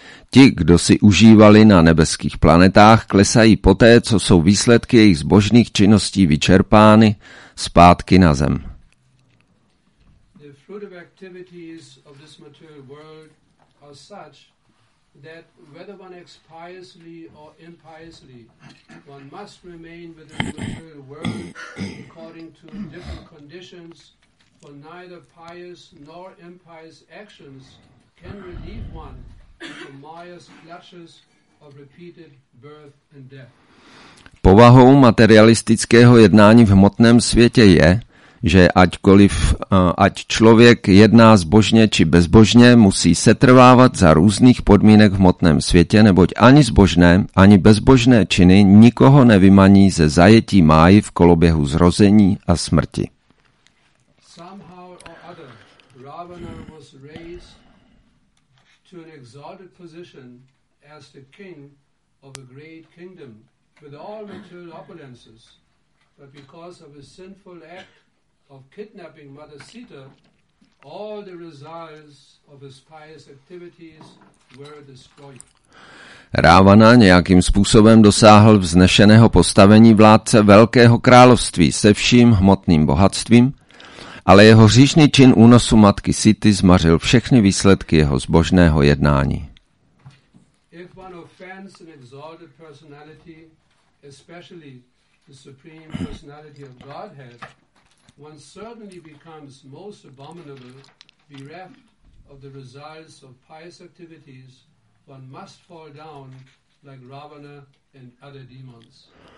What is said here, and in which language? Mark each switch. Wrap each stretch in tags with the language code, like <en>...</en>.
<cs>Ti, kdo si užívali na nebeských planetách, klesají poté, co jsou výsledky jejich zbožných činností vyčerpány, zpátky na zem.</cs> <en>The fruit of motive activities of this material world are such that whether one acts piously or impiously, one must remain within the material world according to different conditions, for neither pious nor impious actions can relieve one from the Maya's clutches of repeated birth and death.</en> <cs>Povahou materialistického jednání v hmotném světě je, že aťkoliv, ať člověk jedná zbožně či bezbožně, musí setrvávat za různých podmínek v hmotném světě, neboť ani zbožné, ani bezbožné činy nikoho nevymaní ze zajetí máji v koloběhu zrození a smrti.</cs> <en>Somehow or other, Ravana was raised to an exalted position as the king of a great kingdom with all material opulences, but because of his sinful act of kidnapping Mother Sita, all the results of his pious activities were destroyed.</en> <cs>Ravana nějakým způsobem dosáhl vznešeného postavení vládce velkého království se vším hmotným bohatstvím, ale jeho hříšný čin únosu matky Sity zmařil všechny výsledky jeho zbožného jednání.</cs> <en>If one offends an exalted personality, especially the supreme personality of Godhead, one certainly becomes most abominable, bereft of the results of pious activities, one must fall down like Ravana and other demons.</en>